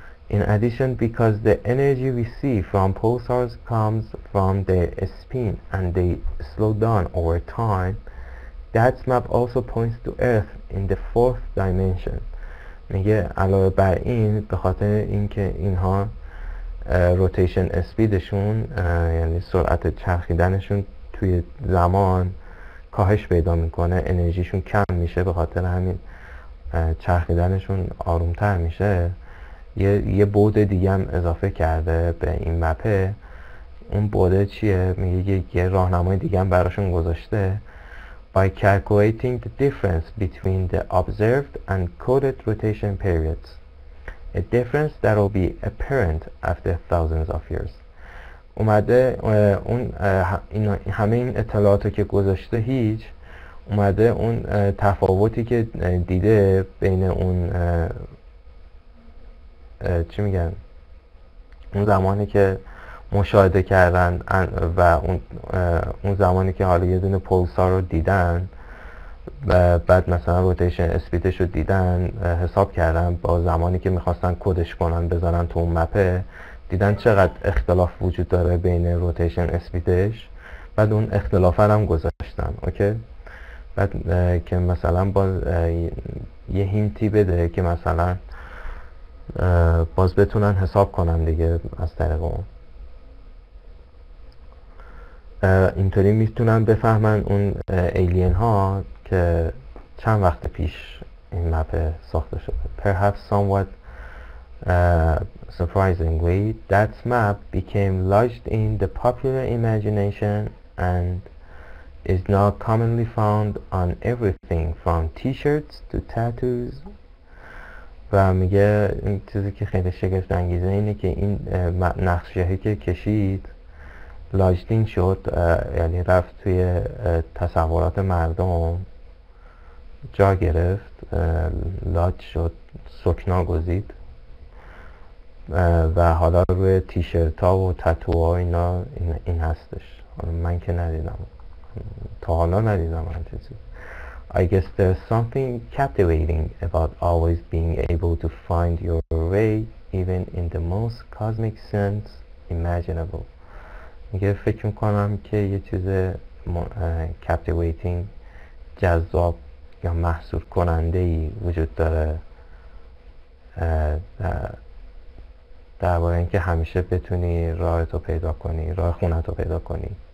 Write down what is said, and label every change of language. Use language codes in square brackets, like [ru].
[en] In addition, because the energy we see from pulsars comes from the spin and they slow down over time, that map also points to Earth in the fourth dimension. [fa] میگه علاوه بر این، به خاطر اینکه اینها روتیشن اسپیدشون یعنی سرعت چرخیدنشون توی زمان کاهش پیدا میکنه، انرژیشون کم میشه، به خاطر همین چرخیدنشون آرومتر میشه. یه بعد دیگه هم اضافه کرده به این مپه. اون بعد چیه؟ میگه یه راهنمای دیگه هم براشون گذاشته. [en] By calculating the difference between the observed and coded rotation periods, a difference that will be apparent after thousands of years. [fa] اومده اون همه این اطلاعاتو که گذاشته هیچ، اومده اون تفاوتی که دیده بین اون چی میگن؟ اون زمانی که مشاهده کردن و اون زمانی که حالا یه دونه پولسار رو دیدن و بعد مثلا روتیشن اسپیدش رو دیدن، حساب کردن با زمانی که میخواستن کدش کنن بذارن تو اون مپه، دیدن چقدر اختلاف وجود داره بین روتیشن اسپیدش، بعد اون اختلاف هم گذاشتن. اوکی؟ بعد که مثلا باز یه هینتی بده که مثلا باز بتونن حساب کنن دیگه از طریق اون، اینطوری میتونن بفهمن اون ایلین ها که چند وقت پیش این مپ ساخته شده. [en] Perhaps somewhat surprisingly, that map became lodged in the popular imagination and is now commonly found on everything from t-shirts to tattoos. [fa] و میگه این چیزی که خیلی شگفت انگیزه اینه که این نقشه‌ای که کشید لاجدین شد، یعنی رفت توی تصورات مردم، جا گرفت، لاج شد، سکنا گزید و حالا روی تیشرت ها و تاتو ها این هستش. من که ندیدم، تا حالا ندیدم این چیزی. [en] I guess there's something captivating about always being able to find your way even in the most cosmic sense imaginable. [fa] میگه فکر میکنم که یه چیز captivating، جذاب یا محصول کننده ای وجود داره در باره اینکه همیشه بتونی راهتو پیدا کنی، راه خونتو پیدا کنی.